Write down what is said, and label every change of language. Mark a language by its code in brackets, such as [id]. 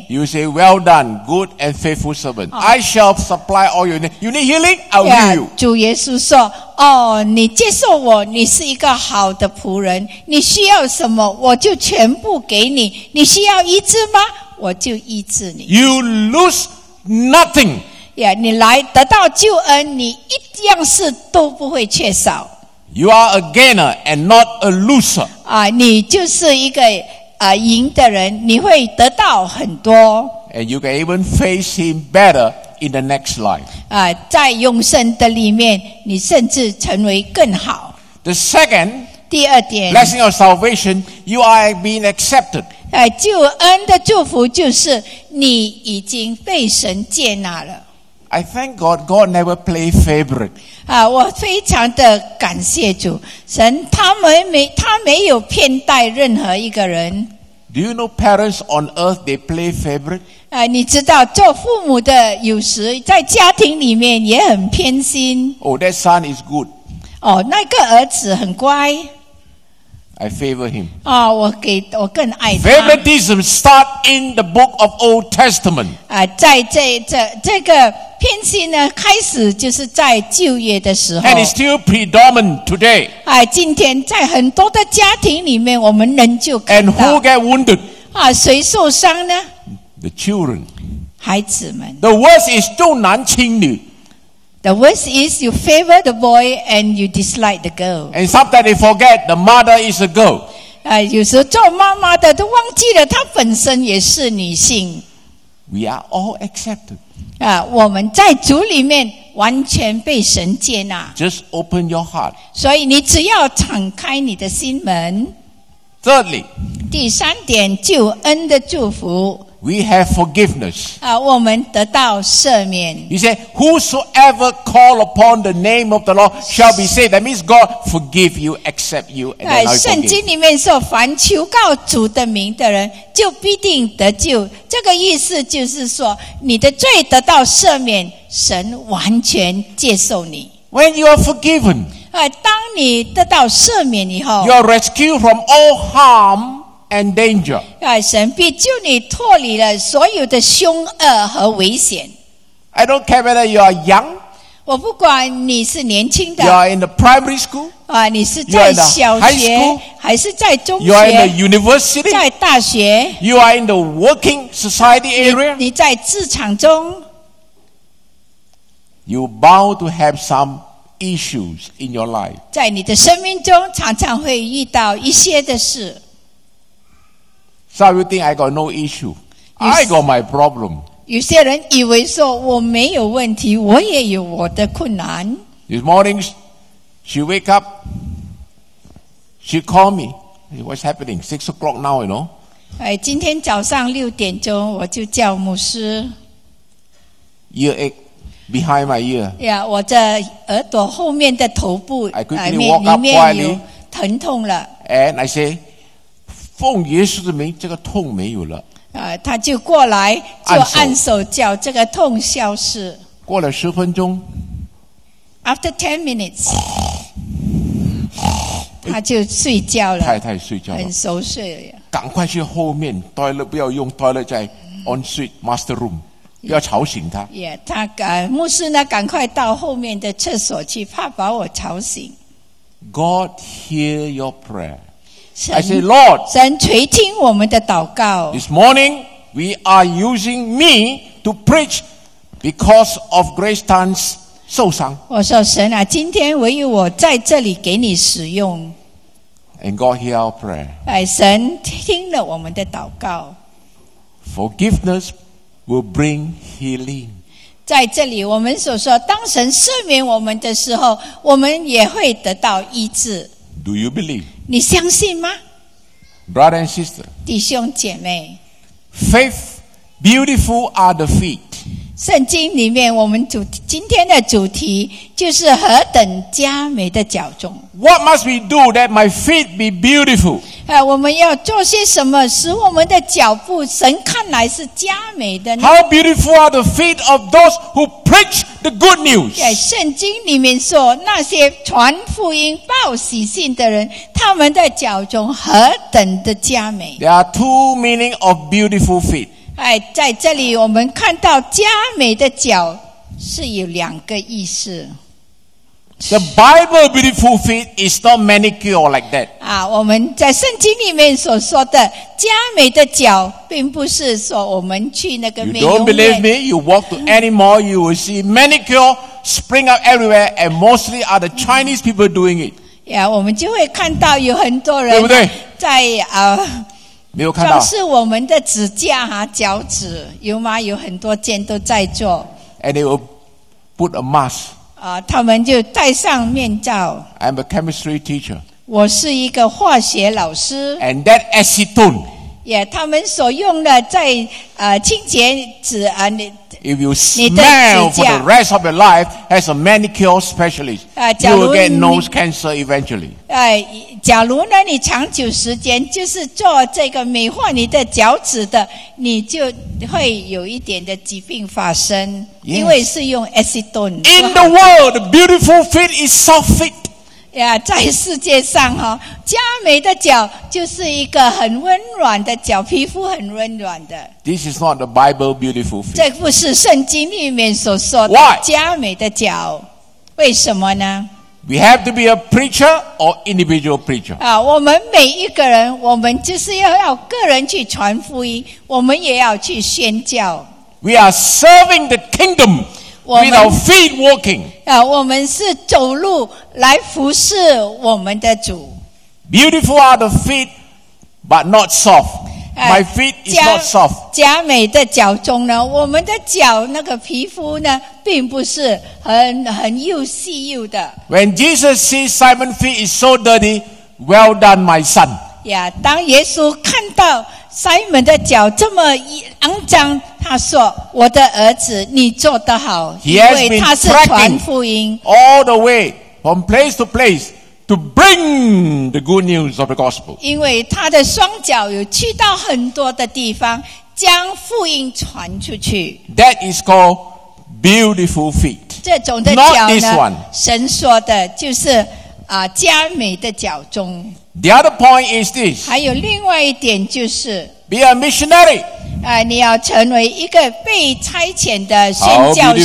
[en] You say, well done, good and faithful servant. I shall supply all your needs. You need healing, I will heal you. [zh] 主耶稣说，哦，你接受我，你是一个好的仆人，你需要什么，我就全部给你，你需要医治吗？我就医治你。 [en] You lose nothing. [zh] Yeah, 你来得到救恩，你一样事都不会缺少。 [en] You are a gainer and not a loser. [zh] 你就是一个赢的人，你会得到很多。 [en] And you can even face him better in the next life. [zh] 在永生的里面，你甚至成为更好。 [en] The second. [zh] 第二点。 [en] Blessing of salvation, you are being accepted. [zh] 救恩的祝福就是你已经被神接纳了。 [en] I thank God, God never play favorite. [zh] 我非常的感谢主，神他没有偏待任何一个人。 [en] Do you know parents on earth they play favorite? [zh] 你知道做父母的有时在家庭里面也很偏心。 [en] Oh, that son is good. [zh] 哦，那个儿子很乖。 [en] I favor him. [zh] 我更爱他。 [en] Favoritism start in the book of Old Testament. [zh] 在这个偏心呢，开始就是在旧约的时候。 [en] And it's still predominant today. [zh] 今天在很多的家庭里面，我们仍旧看到。 [en] And who get wounded? [zh] 谁受伤呢？ [en] The children. [zh] 孩子们。 [en] The worst is [zh] 重男轻女。 [en] The worst is you favor the boy and you dislike the girl. And sometimes they forget the mother is a girl. [zh] 有时候做妈妈的都忘记了她本身也是女性。 [en] We are all accepted. [zh] 我们在主里面完全被神接纳。 [en] Just open your heart. [zh] 所以你只要敞开你的心门。 [en] Thirdly. [zh] 第三点，救恩的祝福。 [en] We have forgiveness. [zh] 我们得到赦免。 [en] He said, whosoever call upon the name of the Lord shall be saved. That means God forgive you, accept you, and then I forgive. [zh] 圣经里面说，凡求告主的名的人就必定得救。这个意思就是说，你的罪得到赦免，神完全接受你。 [en] When you are forgiven, [zh] 当你得到赦免以后， [en] you are rescued from all harm and danger. [zh] 神必救你脱离了所有的凶恶和危险。 [en] I don't care whether you are young. [zh] 我不管你是年轻的。 [en] You are in the primary school. [zh] 你是在小学 [en] high school, [zh] 还是在中学。 [en] You are in the university. [zh] 在大学。 [en] You are in the working society area. [zh] 你在职场中。 [en] You are bound to have some issues in your life. [zh] 在你的生命中常常会遇到一些的事。 [en] So you think I got no issue. I got my problem. [zh] 有些人以为说我没有问题，我也有我的困难。 [en] This morning, she wake up. She called me. Hey, what's happening? 6 o'clock now, you know. [zh] 今天早上六点钟我就叫牧师。 [en] Earache behind my ear. [zh] Yeah, 我的耳朵后面的头部 [en] I quickly walk up quietly. [zh] 疼痛了。 [en] And I say, [zh] 奉耶稣的名，这个痛没有了。他就过来，就按手叫这个痛消失。过了十分钟， [en] After 10 minutes， [zh] 他就睡觉了。太太睡觉了，很熟睡了。赶快去后面 toilet， 不要用 toilet， 在 [en] ensuite master room， [zh] 不要吵醒他。牧师呢，赶快到后面的厕所去，怕把我吵醒。 [en] God hear your prayer. I say, Lord, [zh] 神垂听我们的祷告。 [en] This morning, we are using me to preach because of Grace Tan's 受伤。 [zh] 我说神啊，今天唯有我在这里给你使用。 [en] And God hear our prayer. [zh] 神听了我们的祷告。 [en] Forgiveness will bring healing. [zh] 在这里我们所说当神赦免我们的时候我们也会得到医治。 [en] Do you believe? [zh] 你相信吗? [en] Brother and sister, [zh] 弟兄姐妹, [en] Faith, beautiful are the feet. [zh] 圣经里面我们主今天的主题就是何等佳美的脚踪。 [en] What must we do that my feet be beautiful? [zh] 我们要做些什么使我们的脚步神看来是佳美的呢? [en] How beautiful are the feet of those who preach the good news? [zh] 在圣经里面说那些传福音报喜信的人他们的脚踪何等的佳美。 [en] There are two meanings of beautiful feet. [zh] 在这里我们看到佳美的脚是有两个意思。 [en] The Bible beautiful feet is not manicure like that. [zh] 我们在圣经里面所说的佳美的脚并不是说我们去那个美容院。 [en] You don't believe me, you walk to any mall, you will see manicure spring up everywhere and mostly are the Chinese people doing it. [zh] 我们就会看到有很多人对不对在没有看到。装饰我们的指甲啊脚趾有吗有很多间都在做。 [en] And they will put a mask. [zh] 他们就戴上面罩。 [en] I'm a chemistry teacher. [zh] 我是一个化学老师。 [en] And that acetone. [zh] 他们所用的在清洁指啊你。 [en] If you smell for the rest of your life as a manicure specialist, you will get nose cancer eventually. [zh] 假如呢你长久时间就是做这个美化你的脚趾的你就会有一点的疾病发生、 [en] yes. [zh] 因为是用 acetone. [en] In the world, beautiful feet is soft feet. [zh] 在世界上、哦、佳美的脚就是一个很温暖的脚皮肤很温暖的。 [en] This is not the Bible beautiful feet. [zh] 这不是圣经里面所说的佳美的脚。 [en] Why? [zh] 为什么呢 [en] We have to be a preacher or individual preacher. [zh] 我们每一个人，我们就是要个人去传福音，我们也要去宣教。 [en] We are serving the kingdom with our feet walking. [zh] 我们是走路来服侍我们的主。 [en] Beautiful are the feet, but not soft. My feet is not soft. [zh] 佳美的脚踪呢，我们的脚那个皮肤呢，并不是很又细又的。 [en] When Jesus sees Simon's feet is so dirty, well done, my son. [zh] 当耶稣看到 Simon 的脚这么肮脏，他说：“我的儿子，你做得好。” [en] He has been tracking all the way from place to place. To bring the good news of the gospel. [zh] 因为他的双脚有去到很多的地方，将福音传出去。 [en] That is called beautiful feet. [zh] 这种的脚呢？ [en] Not this one. [zh] 神说的就是佳美的脚踪。 [en] The other point is this. [zh] 还有另外一点就是 [en] be a missionary. [zh] 你要成为一个被差遣的宣教士。